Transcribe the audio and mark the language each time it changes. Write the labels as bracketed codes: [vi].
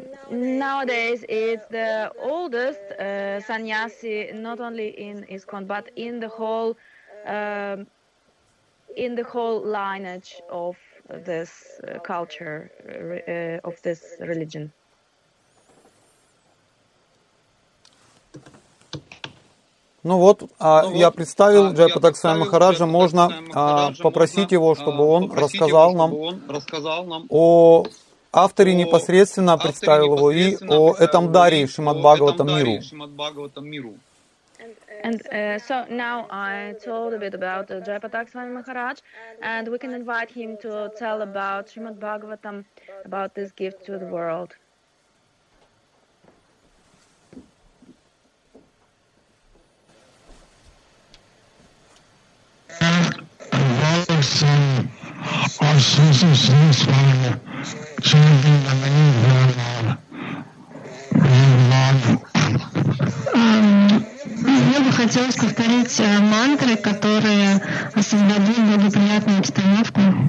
[en] Nowadays it's the oldest sannyasi not only in Iskon, but in the whole in the whole lineage of this culture, of this religion. [ru] Ну вот, я представил Джайпатак Свами Махараджа, можно попросить его, чтобы он рассказал нам о авторе непосредственно, представил его, и о этом даре Шримад Бхагаватам миру. [en] And so now I told a bit about Jayapatak Swami Maharaj, and we can invite him to tell about Srimad Bhagavatam, about this gift to the world. [ru] Мне бы хотелось повторить мантры, которые создадут благоприятную обстановку.